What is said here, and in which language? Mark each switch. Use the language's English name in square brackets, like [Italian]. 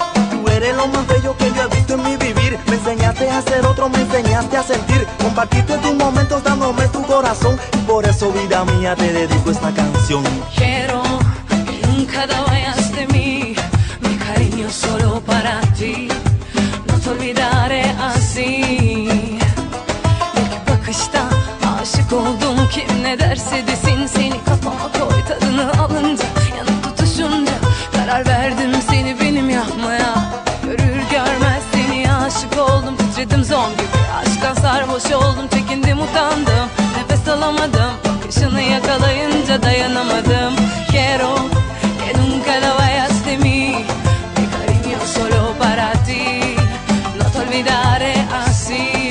[Spanish] tú eres lo más bello que yo he visto en mi vivir. Me enseñaste a ser otro, me enseñaste a sentir. Compartiste tus momentos dándome tu corazón. Y por eso, vida mía, te dedico esta canción. Quiero que nunca te vayas de mí, mi cariño solo para ti, no te olvidaré así. [Turkish] İlk bakışta aşık oldum, kim ne derse desin. Seni kafama koy, tadını alınca, yanıp tutuşunca, karar verdim seni benim yapmaya. Görür görmez seni aşık oldum, titredim zombi, aşktan sarhoş oldum. Çekindim utandım, nefes alamadım, bakışını yakalayınca dayanamadım. [Spanish] Quiero que nunca la vayas de mí, mi cariño solo para ti, no te olvidaré así.